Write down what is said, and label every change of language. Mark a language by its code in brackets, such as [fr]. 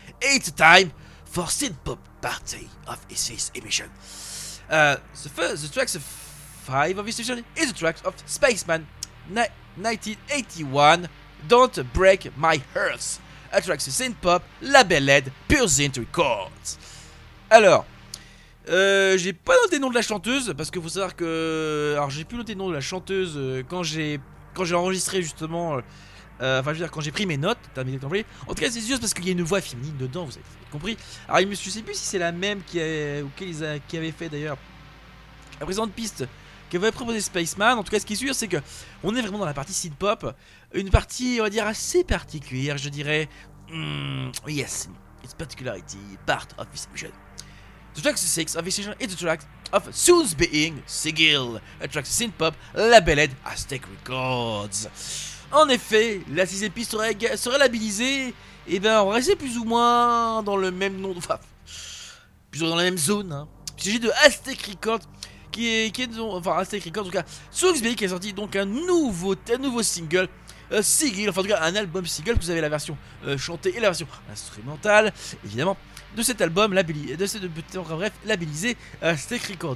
[en] It's time for synth pop party of this emission. The tracks of five of this emission is the tracks of Spaceman 1981 Don't Break My Heart. A track of synth pop labeled Pure Synth Records. [fr] Alors, j'ai pas noté le nom de la chanteuse parce que faut savoir que. Alors, j'ai plus noté le nom de la chanteuse quand j'ai enregistré justement. Enfin, je veux dire, quand j'ai pris mes notes, t'as mis des temps. En tout cas, c'est juste parce qu'il y a une voix féminine dedans, vous avez compris. Alors, je sais plus si c'est la même qui avait fait d'ailleurs la présente piste que avait proposé Spaceman. En tout cas, ce qui est sûr, c'est que on est vraiment dans la partie synth-pop, une partie, on va dire, assez particulière, je dirais. [en] Yes, it's particularity, part of this vision. The track 6 of this vision is the track of Soon's Being Sigil, a track synth-pop labeled Aztec Records. [fr] En effet, la 6e piste serait labellisée, et bien on restait plus ou moins dans le même nom, enfin, plus ou moins dans la même zone. Il s'agit de Aztec Records, qui est sorti donc un nouveau single, Sigil, enfin en tout cas un album single, vous avez la version chantée et la version instrumentale, évidemment, de cet album, labellisé Aztec Records.